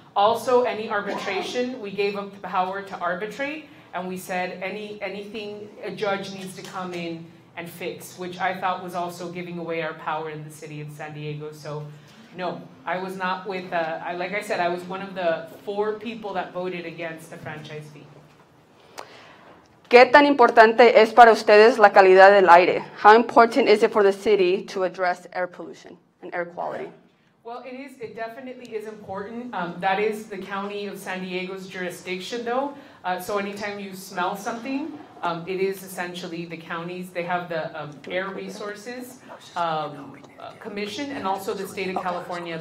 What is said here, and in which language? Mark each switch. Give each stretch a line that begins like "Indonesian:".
English: Also, any arbitration, we gave up the power to arbitrate, and we said anything a judge needs to come in and fix, which I thought was also giving away our power in the city of San Diego. So, no, I was not with, like I said, I was one of the 4 people that voted against the franchise fee.
Spanish: ¿Qué tan importante es para ustedes la calidad del aire?
English: How important is it for the city to address air pollution and air quality? Well, it definitely is important. That is the county of San Diego's jurisdiction, though. So anytime you smell something, it is essentially the county's. They have the Air Resources Commission and also the state of California.